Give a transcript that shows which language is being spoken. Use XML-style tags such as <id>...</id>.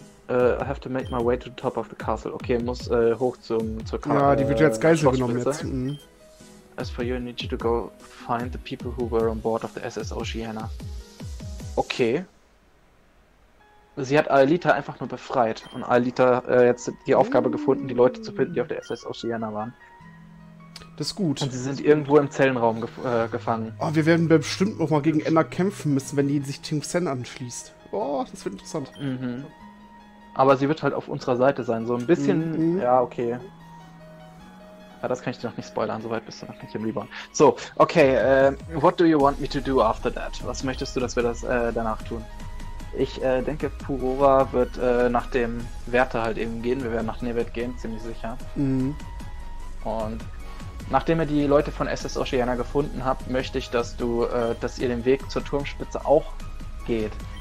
<en>I have to make my way to the top of the castle.</en> <de>Okay, muss hoch zur Karte. Ja, die wird jetzt Geisel genommen jetzt. Mhm.</de> <en>As for you, I need you to go find the people who were on board of the SS Oceana.</en> <de>Okay. Sie hat Aelita einfach nur befreit. Und Aelita jetzt die Aufgabe gefunden, die Leute zu finden, die auf der SS Oceana waren. Das ist gut. Und sie sind irgendwo im Zellenraum gefangen. Oh, wir werden bestimmt nochmal gegen Ender kämpfen müssen, wenn die sich Team Sen anschließt. Oh, das wird interessant. Mhm. Aber sie wird halt auf unserer Seite sein. So ein bisschen... Mhm. Ja, okay. Ja, das kann ich dir noch nicht spoilern, soweit bist du noch nicht im Reborn.</de> <en>So, okay, what do you want me to do after that?</en> <de>Was möchtest du, dass wir das danach tun? Ich denke, Furora wird nach dem Wärter halt eben gehen. Wir werden nach Nevet gehen, ziemlich sicher. Mhm. Und nachdem ihr die Leute von SS Oceana gefunden habt, möchte ich, dass du, dass ihr den Weg zur Turmspitze auch geht.</de>